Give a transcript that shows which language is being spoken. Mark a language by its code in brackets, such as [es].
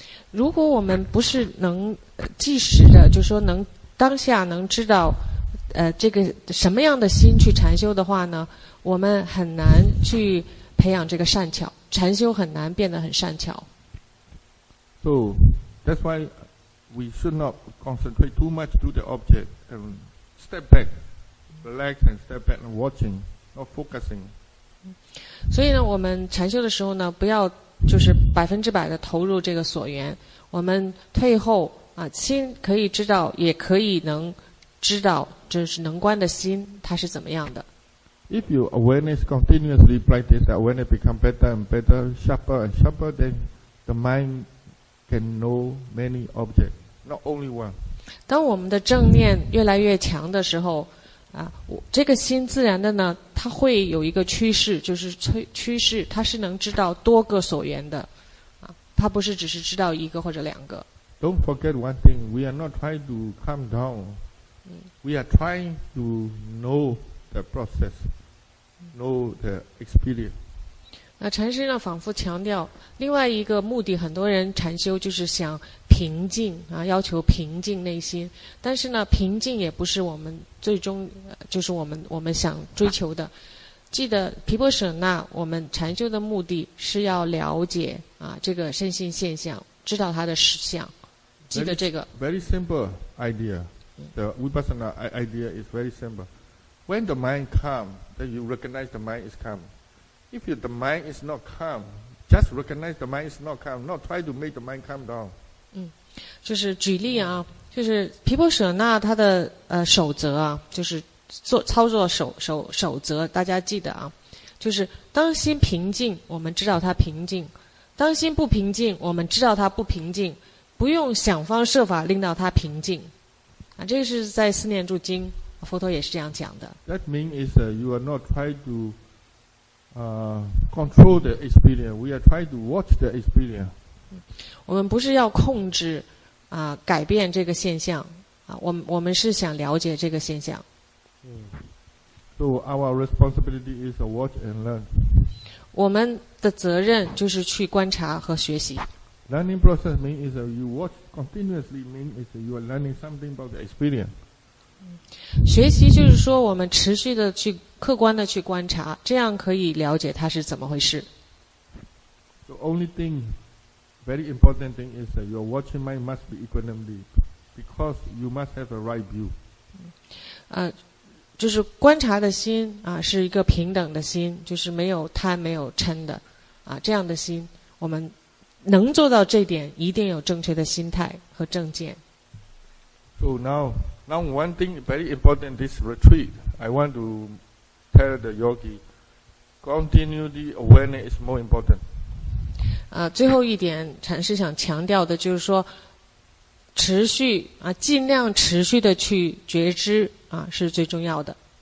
[zh] 如果我们不是能即时的，就是说能当下能知道，这个什么样的心去禅修的话呢，我们很难去培养这个善巧，禅修很难变得很善巧。 [en] So that's why we should not concentrate too much to the object and step back, relax and step back and watching, not focusing. [zh] 所以呢，我们禅修的时候呢，不要就是百分之百的投入这个所缘，我们退后心可以知道，也可以能知道，就是能观的心它是怎么样的。 [en] If you awareness continuously practice, the awareness become better and better, sharper and sharper, then the mind can know many objects, not only one. [zh] 当我们的正念越来越强的时候。这个心自然的呢，它会有一个趋势，就是趋势，它是能知道多个所缘的，它不是只是知道一个或者两个。 [en] Don't forget one thing, we are not trying to calm down, we are trying to know the process, know the experience. [zh] 禅师呢仿佛强调，另外一个目的，很多人禅修就是想平静要求平静内心，但是呢，平静也不是我们最终就是我们想追求的。记得毗婆舍那，我们禅修的目的是要了解这个身心现象，知道它的实相。记得这个。 [en] Very simple idea. The vipassana idea is very simple. When the mind calm, then you recognize the mind is calm. If the mind is not calm, just recognize the mind is not calm. Not try to make the mind calm down. [zh] 就是举例就是毗婆舍那他的守则就是做操作守则，大家记得就是当心平静，我们知道它平静；当心不平静，我们知道它不平静，不用想方设法令到它平静。这个是在四念住经，佛陀也是这样讲的。 [en] That means is you are not trying to control the experience. We are trying to watch the experience. [zh] 我们不是要控制改变这个现象我们是想了解这个现象。 [en] So our responsibility is to watch and learn. [zh] 我们的责任就是去观察和学习。 [en] Learning process means is you watch continuously, means is you are learning something about the experience. [zh] 学习就是说我们持续的去客观的去观察，这样可以了解它是怎么回事。 [en] The only thing, very important thing is that your watching mind must be equanimity, because you must have a right view. [zh] 就是观察的心啊，是一个平等的心，就是没有贪没有嗔的啊，这样的心，我们能做到这点，一定有正确的心态和正见。 [en] So now one thing very important this retreat, I want to tell the yogi, continuity awareness is more important. [zh] 最后一点禅师想强调的就是说持续啊，尽量持续的去觉知啊，是最重要的。